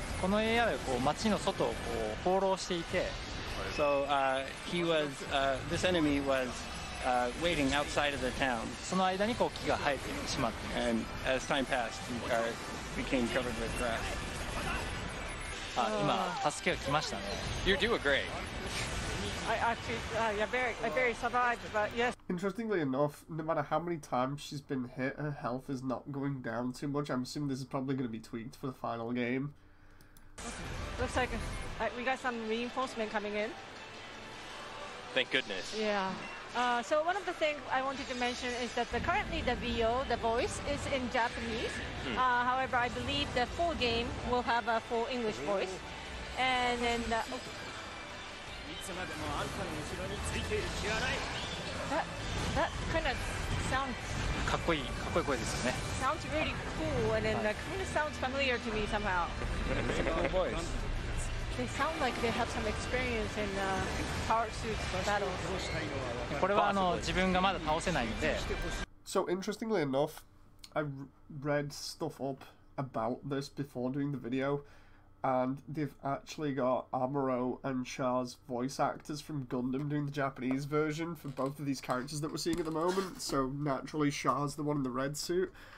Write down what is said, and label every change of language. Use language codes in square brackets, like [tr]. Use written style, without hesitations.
[ja] この AI はこう街の外をこう放浪していて [en] So, he was, this enemy was waiting outside of the town. [ja] その間にこう木が生えてしまって [en] And as time passed, he became covered with grass. [ja] あ、今助けが来ましたね [en] You do a great I actually survived, but yes. Interestingly enough, no matter how many times she's been hit, her health is not going down too much. I'm assuming this is probably going to be tweaked for the final game. Okay. Looks like we got some reinforcement coming in. Thank goodness. Yeah. So one of the things I wanted to mention is that currently the VO, the voice, is in Japanese. Hmm. However, I believe the full game will have a full English voice. And then... That kind of sounds... [ja] かっこいい声ですよね [en] Sounds really cool and then that kind of sounds familiar to me somehow They sound like they have some experience in power suit battles [ja] これは自分がまだ倒せないので [en] So interestingly enough, I read stuff up about this before doing the video And they've actually got Amuro and Char's voice actors from Gundam doing the Japanese version for both of these characters that we're seeing at the moment. So naturally, Char's the one in the red suit.